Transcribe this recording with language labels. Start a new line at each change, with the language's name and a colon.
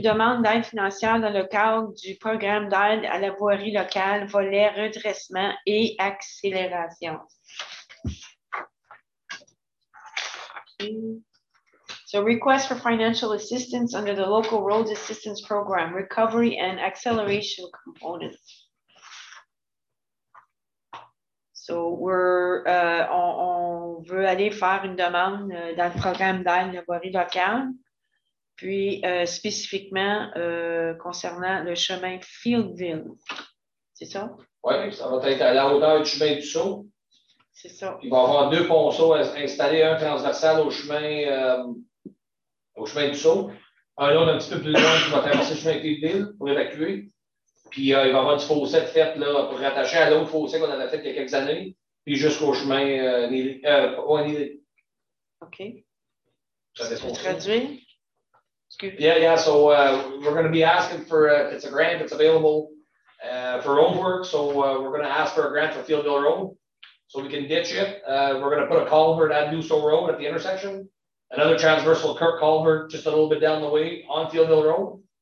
French: Demande d'aide financière dans le cadre du programme d'aide à la voirie locale, volet redressement et accélération.
English: So, request for financial assistance under the local road assistance program, recovery and acceleration component.
French: So, on veut aller faire une demande dans le programme d'aide à la voirie locale. Puis spécifiquement concernant le chemin Fieldville. C'est ça? Oui, ça va être à la hauteur du chemin du Sceau. C'est ça. Il va y avoir deux ponceaux installés, un transversal au chemin du Sceau, un autre un petit peu plus loin qui va traverser le chemin Fieldville pour évacuer. Puis il va y avoir du fossé de fait là, pour rattacher à l'autre fossé qu'on avait fait il y a quelques années, puis jusqu'au chemin Nilé. OK. Ça traduit?
English: Yeah. So we're going to be asking for it's a grant that's available for road work. So we're going to ask for a grant for Fieldville Road, so we can ditch it. We're going to put a culvert at New Sceau Road at the intersection, another transversal culvert just a little bit down the way on Fieldville Road.